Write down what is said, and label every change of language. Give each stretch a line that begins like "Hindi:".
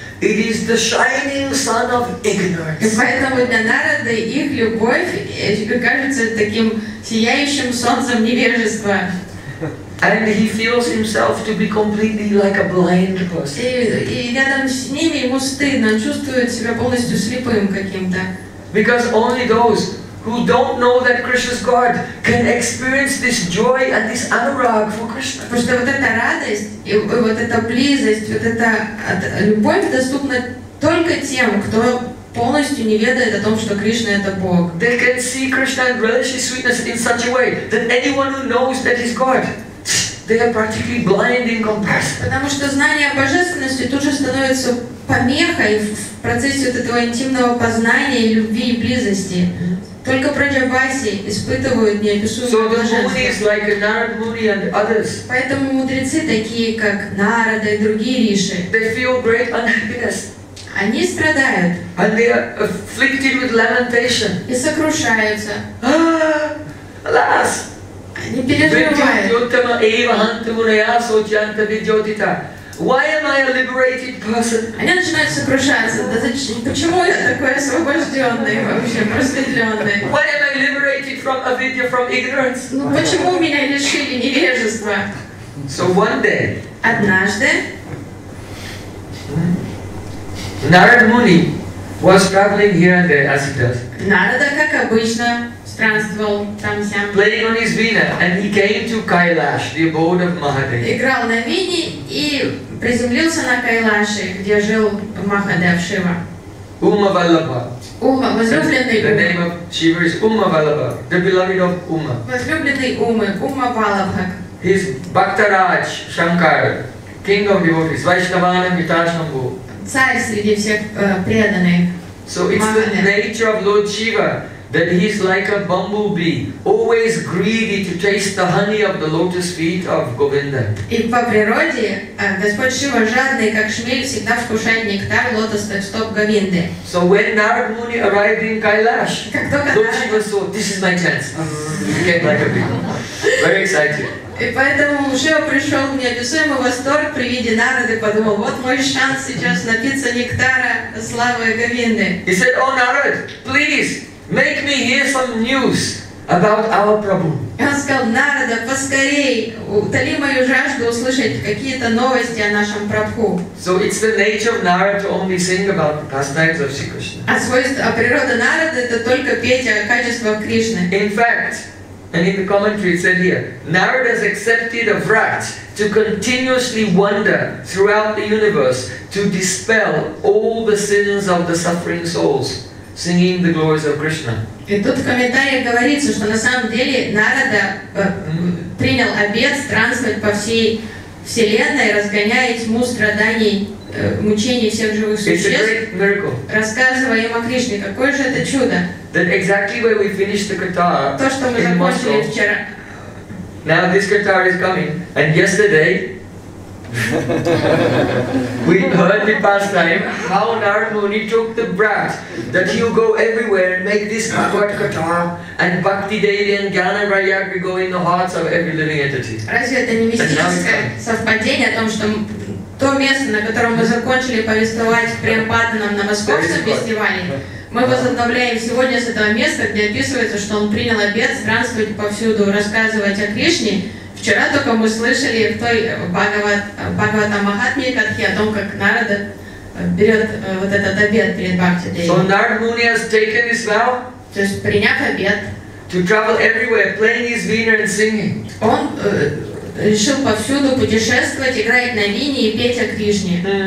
English: It is the shining sun of ignorance.
Russian: И поэтому для Нарады их любовь кажется таким сияющим солнцем невежества.
English: And he feels himself to be completely like a blind person. Because only those who don't know that Krishna is God can experience this joy and this anurag for Krishna.
Russian: Потому что вот эта радость, вот эта близость, вот эта любовь доступна только тем, кто полностью не ведает о том, что Кришна это Бог.
English: They can see Krishna and relish his sweetness in such a way that anyone who knows that he's God, they are practically blind in comparison.
Russian: Потому что знание о божественности тут же становится помехой в процессе вот этого интимного познания, любви и близости. Только праджаваси испытывают неописуемое блаженство. Поэтому мудрецы, такие как Нарада и другие риши,
English: they feel great unhappiness.
Russian: Они страдают.
English: And they are afflicted with lamentation.
Russian: И сокрушаются.
English: Alas!
Russian: Они переживают.
English: Why am I a liberated person?
Russian: Они начинают сокрушаться. Да зачем? Почему я такой освобожденный вообще, просветленный?
English: Why am I liberated from avidya, from ignorance?
Russian: Ну почему меня лишили невежества?
English: So one day.
Russian: Однажды.
English: Narada Muni was traveling here and there as he does.
Russian: Narada, как обычно, странствовал там сям.
English: Playing on his veena, and he came to Kailash, the abode of Mahadev.
Russian: Играл на вине и приземлился на Кайлаше, где жил Махадев Шива. Ума Валлабха. Ума, возлюбленный.
English: The name of Shiva is Ума Валлабха, the beloved of Ума.
Russian: Возлюбленный Умы, Ума Валлабха.
English: His Бхактарадж Шанкар, king of devotees, Вайшнавана Миташнамбу.
Russian: Царь среди всех преданных.
English: So it's Mahadev. The nature of Lord Shiva that he is like a bumblebee, always greedy to taste the honey of the lotus feet of Govinda.
Russian: И по природе Господь Шива жадный, как шмель, всегда вкушает нектар лотосных стоп Говинды.
English: So when Narada Muni arrived in Kailash, Lord Shiva saw, this is my chance. Became like a bee. Very excited.
Russian: И поэтому Шива пришел в неописуемый восторг при виде Нарады, подумал, вот мой шанс сейчас напиться нектара славы Говинды.
English: He said, oh, Narad, please, make me hear some news about our Prabhu.
Russian: И он сказал, Нарада, поскорей, утоли мою жажду услышать какие-то новости о нашем Прабху.
English: So it's the nature of Narada to only sing about the pastimes of Sri Krishna.
Russian: А свойство, а природа Нарады это только петь о качествах Кришны.
English: In fact, and in the commentary it said here, Narada has accepted a vrat to continuously wander throughout the universe to dispel all the sins of the suffering souls, singing the glories of Krishna.
Russian: И тут в комментариях говорится, что на самом деле Нарада принял обет странствовать по всей вселенной, разгоняя тьму страданий, мучений всех живых существ.
English: It's a great miracle.
Russian: Рассказывая им о Кришне, какое же это чудо!
English: That exactly where we finished the katha.
Russian: То, что мы закончили вчера.
English: Now this katha is coming, and yesterday we heard the pastime how Narada Muni took the brat that he'll go everywhere and make this Bhagavad Katha and Bhakti Devi and Gyana Vairagya go in the hearts of every living entity.
Russian: Разве это не мистическое совпадение о том, что то место, на котором мы закончили повествовать прям Патнам на московском фестивале, мы возобновляем сегодня с этого места, где описывается, что он принял обет странствовать повсюду, рассказывать о Кришне. Вчера только мы слышали в той Бхагаватамахатме Катхе о том, как Нарада берет вот этот обет перед Бхакти Деви.
English: So Narada Muni has taken his vow.
Russian: То есть приняв обет.
English: To travel everywhere, playing his veena and singing.
Russian: Он решил повсюду путешествовать, играть на вине и петь о Кришне.